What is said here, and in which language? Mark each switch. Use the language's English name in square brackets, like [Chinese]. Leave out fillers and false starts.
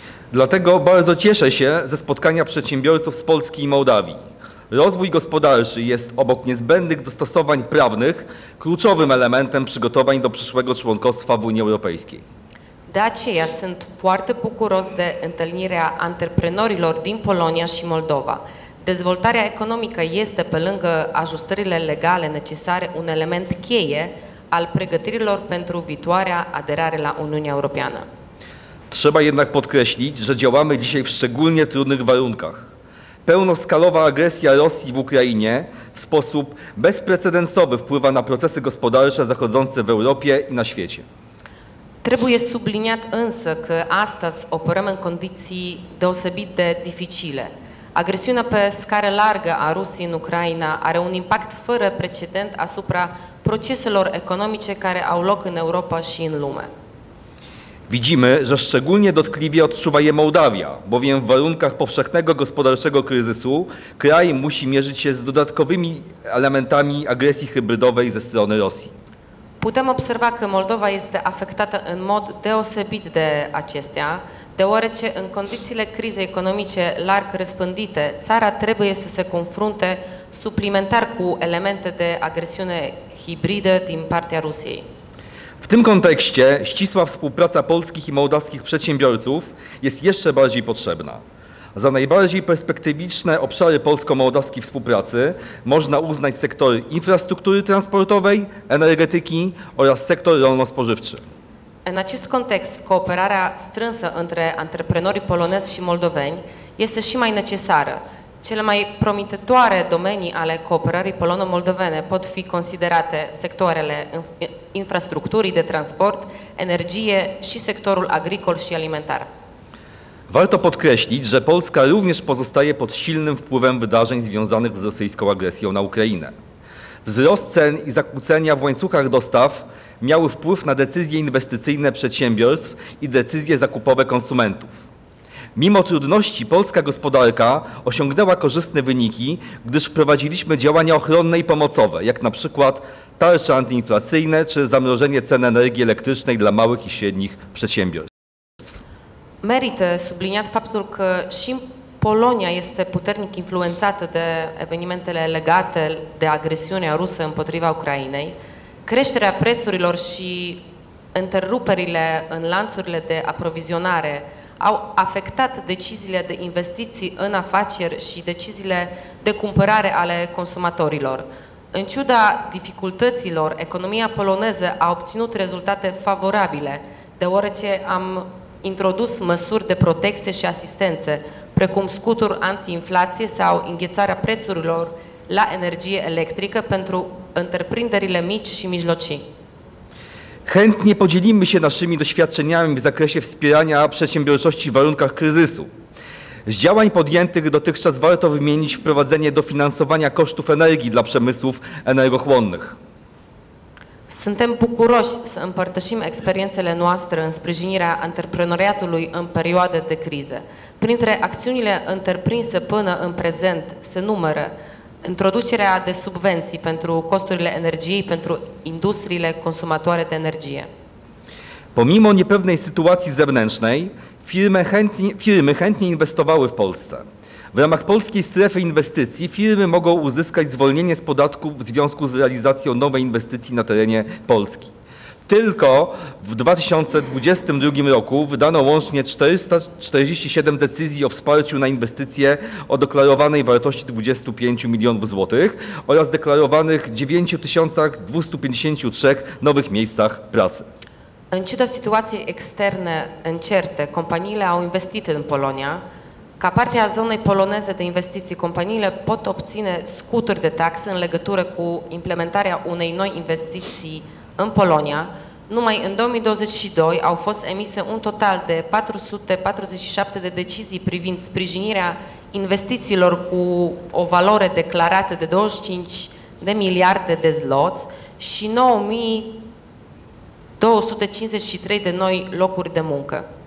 [Polish] Dlatego bardzo cieszę się ze spotkania przedsiębiorców z Polski i Mołdawii. Rozwój gospodarczy jest obok niezbędnych dostosowań prawnych kluczowym elementem przygotowań do przyszłego członkostwa w Unii Europejskiej. [Romanian] De aceea sunt foarte bucuros de întâlnirea antreprenorilor din Polonia și Moldova. Dezvoltarea economică este, pe lângă ajustările legale necesare, un element cheie al pregătirilor pentru viitoarea aderare la Uniunea Europeană. [Polish] Trzeba jednak podkreślić, że działamy dzisiaj w szczególnie trudnych warunkach. Pełnoskalowa agresja Rosji w Ukrainie w sposób bezprecedensowy wpływa na procesy gospodarcze zachodzące w Europie i na świecie. [Romanian] Trebuie subliniat însă că astăzi operăm în condiții deosebit de dificile. Agresiunea pe scară largă a Rusiei în Ucraina are un impact fără precedent asupra proceselor economice care au loc în Europa și în lume. [Polish] Widzimy, że szczególnie dotkliwie odczuwa je Mołdawia, bowiem w warunkach powszechnego gospodarczego kryzysu kraj musi mierzyć się z dodatkowymi elementami agresji hybrydowej ze strony Rosji. [Romanian] Putem observa că Moldova este afectată în mod deosebit de acestea, deoarece în condițiile crizei economice larg răspândite, țara trebuie să se confrunte suplimentar cu elemente de agresiune hibridă din partea Rusiei. [Polish] W tym kontekście ścisła współpraca polskich i mołdawskich przedsiębiorców jest jeszcze bardziej potrzebna. Za najbardziej perspektywiczne obszary polsko-mołdawskiej współpracy można uznać sektor infrastruktury transportowej, energetyki oraz sektor rolno-spożywczy. [Romanian] W acest kontekst kooperarea strânsă între antreprenorii polonezi și moldoveni este și mai necesară. Cele mai promitătoare domenii ale cooperării polono-moldovene pot fi considerate sectoarele infrastructurii de transport, energie și sectorul agricol și alimentar. [Polish] Warto podkreślić, że Polska również pozostaje pod silnym wpływem wydarzeń związanych z rosyjską agresją na Ukrainę. Wzrost cen i zakłócenia w łańcuchach dostaw miały wpływ na decyzje inwestycyjne przedsiębiorstw i decyzje zakupowe konsumentów. Mimo trudności polska gospodarka osiągnęła korzystne wyniki, gdyż wprowadziliśmy działania ochronne i pomocowe, jak na przykład tarcze antyinflacyjne czy zamrożenie cen energii elektrycznej dla małych i średnich przedsiębiorstw. [Romanian] Merită subliniat faptul că și Polonia este puternic influențată de evenimentele legate de agresiunea rusă împotriva Ucrainei. Creșterea prețurilor și întreruperile în lanțurile de aprovizionare au afectat deciziile de investiții în afaceri și deciziile de cumpărare ale consumatorilor. În ciuda dificultăților, economia poloneză a obținut rezultate favorabile, deoarece am introdus măsuri de protecție și asistențe, precum scuturi antiinflație sau înghețarea prețurilor la energie electrică pentru întreprinderile mici și mijlocii. [Polish] Chętnie podzielimy się naszymi doświadczeniami w zakresie wspierania przedsiębiorczości w warunkach kryzysu. Z działań podjętych dotychczas warto wymienić wprowadzenie dofinansowania kosztów energii dla przemysłów energochłonnych. [Romanian] Suntem bucuroși să împărtășim experiențele noastre în sprijinirea antreprenoriatului în perioade de criză. Printre acțiunile întreprinse până în prezent se numără introducerea de subvenții pentru costurile energiei pentru industriile consumatoare de energie. [Polish] Pomimo niepewnej sytuacji zewnętrznej, firmy chętnie inwestowały w Polsce. W ramach polskiej strefy inwestycji firmy mogą uzyskać zwolnienie z podatku w związku z realizacją nowej inwestycji na terenie Polski. Tylko w 2022 roku wydano łącznie 447 decyzji o wsparciu na inwestycje o deklarowanej wartości 25 milionów złotych oraz deklarowanych 9253 nowych miejscach pracy. [Romanian] În ciuda sytuacji externe încerte, companiile au investit în Polonia. Ca parte a zonei poloneze de investiții, companiile pot obține scuturi de taxe în legătură cu implementarea unei noi investiții în Polonia. Numai în 2022 au fost emise un total de 447 de decizii privind sprijinirea investițiilor cu o valoare declarată de 25 de miliarde de zloți și 9253 de noi locuri de muncă.